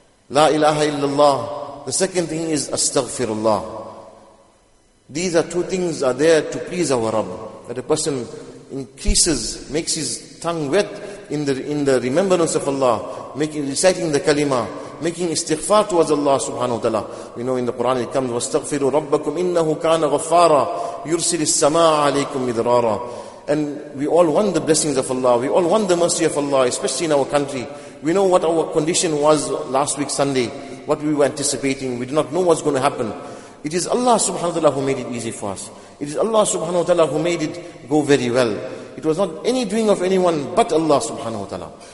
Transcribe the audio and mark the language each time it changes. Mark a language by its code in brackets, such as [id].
[ar] La ilaha illallah. [en] The second thing is Astaghfirullah. These are 2 things are there to please our Rabb. That a person increases, makes his tongue wet in the remembrance of Allah, reciting the kalima, making istighfar towards Allah subhanahu wa ta'ala. We know in the Quran it comes, [ar] وَاسْتَغْفِرُوا رَبَّكُمْ إِنَّهُ كَانَ غَفَّارًا يُرْسِلِ السَّمَاءَ عَلَيْكُمْ مِدْرَارًا. [en] And we all want the blessings of Allah. We all want the mercy of Allah, especially in our country. We know what our condition was last week Sunday, what we were anticipating. We do not know what's going to happen. It is Allah subhanahu wa ta'ala who made it easy for us. It is Allah subhanahu wa ta'ala who made it go very well. It was not any doing of anyone but Allah subhanahu wa ta'ala.